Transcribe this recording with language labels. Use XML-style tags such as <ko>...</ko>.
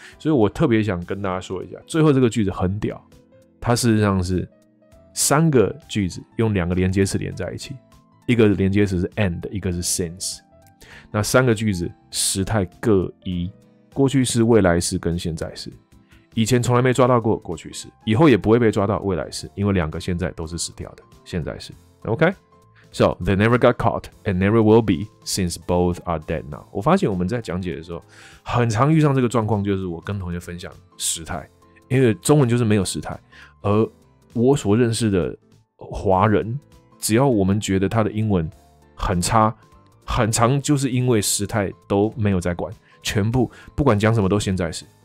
<zh>所以我特别想跟大家说一下，最后这个句子很屌，它事实上是三个句子用两个连接词连在一起，一个连接词是 and， 一个是 since。那三个句子时态各一，过去式、未来式跟现在式。以前从来没抓到过过去式，以后也不会被抓到未来式，因为两个现在都是死掉的现在式。</zh> <en>OK， so they never got caught and never will be since both are dead now。</en> <zh>我发现我们在讲解的时候，很常遇上这个状况，就是我跟同学分享时态，因为中文就是没有时态，而我所认识的华人，只要我们觉得他的英文很差。很长就是因为时态都没有在管，全部不管讲什么都现在时，</zh>